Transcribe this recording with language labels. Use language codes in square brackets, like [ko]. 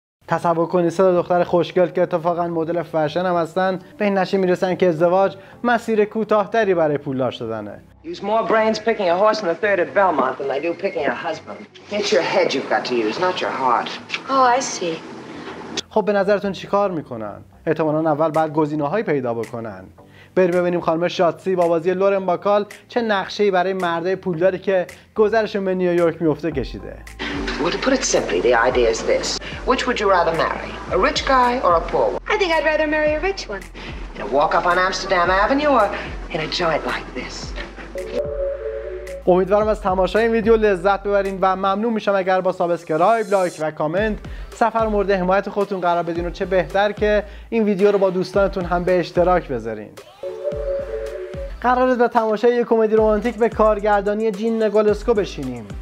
[fa] تصور کنید سه دختر خوشگل که اتفاقا مدل فشن هم هستن به این نشه میرسن که ازدواج مسیر کوتاه‌تری برای پولدار شدنه. [en] Use more brains picking a horse in the third at Belmont than they do picking a husband. It's your head you've got to use, not your heart. Oh, I see. [fa] خب به نظرتون چی کار میکنن؟ احتمالاً اول بعد گزینه‌هایی پیدا بکنن. بریم ببینیم خانم شاتسی با بازی لورن باکال چه نقشه‌ای برای مردای پولداری که گذرشون به نیویورک میفته کشیده. [en] Well, to put it simply, the idea is this. Which would you rather marry? A rich guy or a poor one? I think I'd rather marry a rich one. In a walk up on Amsterdam Avenue or in a joint like this? [fa] امیدوارم از تماشای این ویدیو لذت ببرین و ممنون میشم اگر با سابسکرایب، لایک و کامنت سفر مورد حمایت خودتون قرار بدین و چه بهتر که این ویدیو رو با دوستانتون هم به اشتراک بذارین. قرار است با تماشای یک کمدی رمانتیک به کارگردانی جین نگولسکو بشینیم.